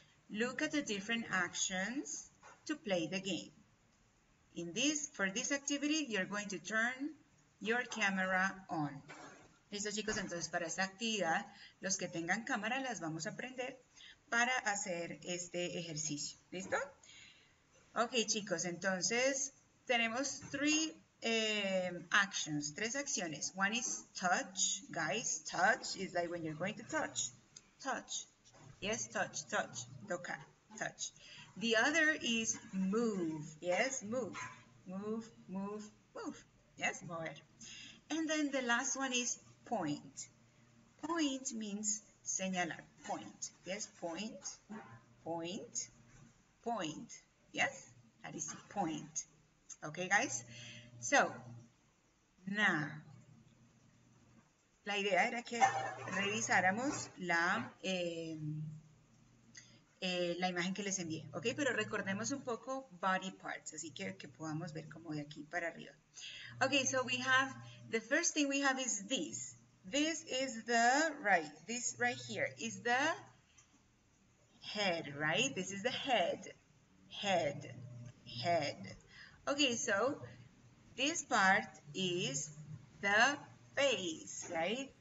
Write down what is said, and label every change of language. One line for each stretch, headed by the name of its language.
English: Look at the different actions to play the game. For this activity, you're going to turn your camera on.
Spanish: Listo chicos, entonces para esta actividad, los que tengan cámara las vamos a prender para hacer este ejercicio. ¿Listo? Okay chicos, entonces tenemos tres acciones.
English: One is touch, guys. Touch is like when you're going to touch. Touch. Yes, touch, touch. Toca, touch. The other is move. Yes, move. Move, move, move. Yes, mover. And then the last one is point. Point means señalar. Point. Yes, point, point, point. Yes, that is point. Okay, guys? So, now,
Spanish: La idea era que revisáramos la imagen que les envié, ¿ok? Pero recordemos un poco body parts, así que podamos ver como de aquí para arriba.
English: Ok, so we have, the first thing we have is this. This is the, right, this right here is the head, right? This is the head, head, head. Ok, so this part is the face, right?